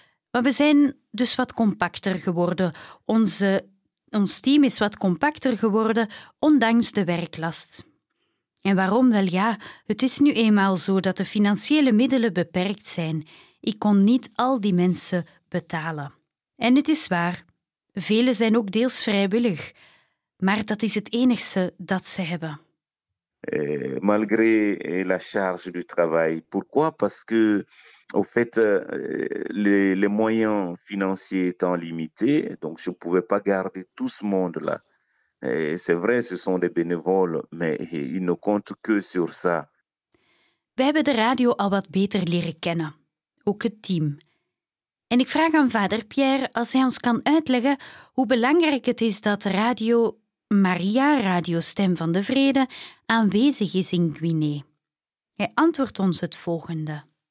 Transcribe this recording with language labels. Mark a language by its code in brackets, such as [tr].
[nl] Maar we zijn dus wat compacter geworden. Ons team is wat compacter geworden, ondanks de werklast. En waarom? Wel ja, het is nu eenmaal zo dat de financiële middelen beperkt zijn. Ik kon niet al die mensen betalen. En het is waar, velen zijn ook deels vrijwillig, maar dat is het enige dat ze hebben. [fr] Malgré la charge du travail, pourquoi? Parce que, au fait, les moyens financiers étant limités, donc je ne pouvais pas garder tout ce monde-là. C'est vrai, ce sont des bénévoles, mais ils ne comptent que sur ça. [nl] We hebben de radio al wat beter leren kennen, ook het team. En ik vraag aan vader Pierre als hij ons kan uitleggen hoe belangrijk het is dat Radio Maria, Radio Stem van de Vrede, aanwezig is in Guinea. Hij antwoordt ons het volgende.